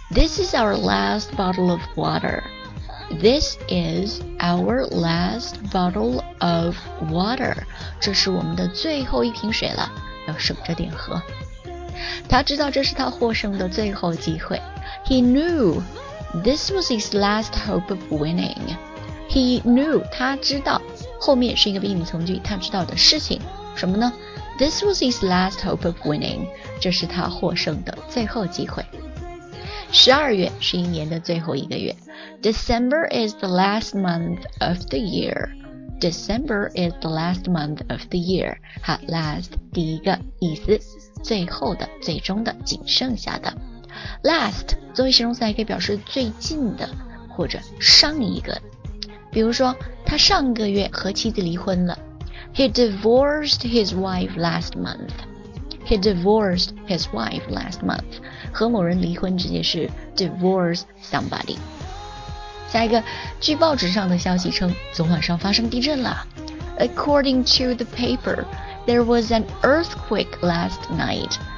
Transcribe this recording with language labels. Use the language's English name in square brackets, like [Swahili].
[English] This is our last bottle of water. This is our last bottle of water. [Chinese] 这是我们的最后一瓶水了，要省着点喝。他知道这是他获胜的最后机会。 [English] He knew this was his last hope of winning. He knew [Chinese] 他知道。后面是一个宾语从句，他知道的事情什么呢？ [English] This was his last hope of winning， [Chinese] 这是他获胜的最后机会。 12月是一年的最后一个月。 [English] December is the last month of the year。 December is the last month of the year. [Chinese] 好 last, 第一个意思最后的最终的仅剩下的。 Last, 作为形容词还可以表示最近的或者上一个。比如说他上个月和妻子离婚了。 [English] He divorced his wife last month. He divorced his wife last month. [Chinese] 和某人离婚直接是 divorce somebody. 下一个，据报纸上的消息称，昨晚上发生地震了。 [English] According to the paper, there was an earthquake last night.